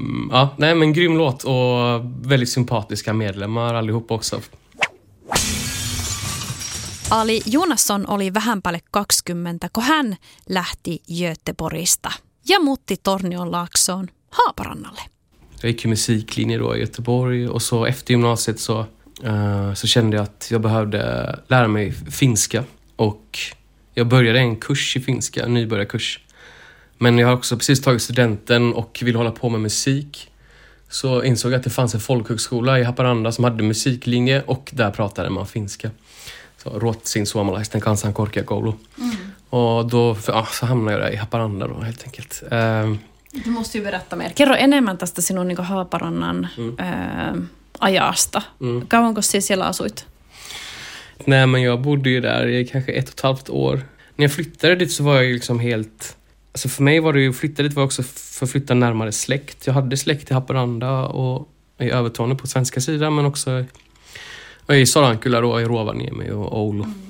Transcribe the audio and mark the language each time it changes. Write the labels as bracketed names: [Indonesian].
[Swedish] ja, nej, men grym låt och väldigt sympatiska medlemmar allihop också. [Finnish] Ali Jonasson oli vähän päälle 20, kun hän lähti Göteborgista ja muutti Tornionlaaksoon Haaparannalle. [Swedish] Jag gick musiklinje då i Göteborg, och så efter gymnasiet så kände jag att jag behövde lära mig finska, och jag började en kurs i finska, en nybörjarkurs. Men jag har också precis tagit studenten och vill hålla på med musik. så insåg jag att det fanns en folkhögskola i Haparanda som hade musiklinje och där pratade man finska. [Finnish] Så ruotsin suomalaisten kanssa en korkeakoulu. Mm. [Swedish] Och då så hamnade jag där i Haparanda då helt enkelt. Du måste ju berätta mer. [Finnish] Kerro enemmän tästä sinun niin kuin Haaparannan ajasta. Mm. Kauanko siis siellä asuit? [Swedish] Nej, men jag bodde ju där i kanske 1,5 år. När jag flyttade dit så var jag liksom helt... Alltså för mig var det ju... Flyttade dit var också för att flytta närmare släkt. Jag hade släkt i Haparanda och i Övertorne på svenska sidan. Men också i Sorankula och i Rovaniemi och Oulu. Mm.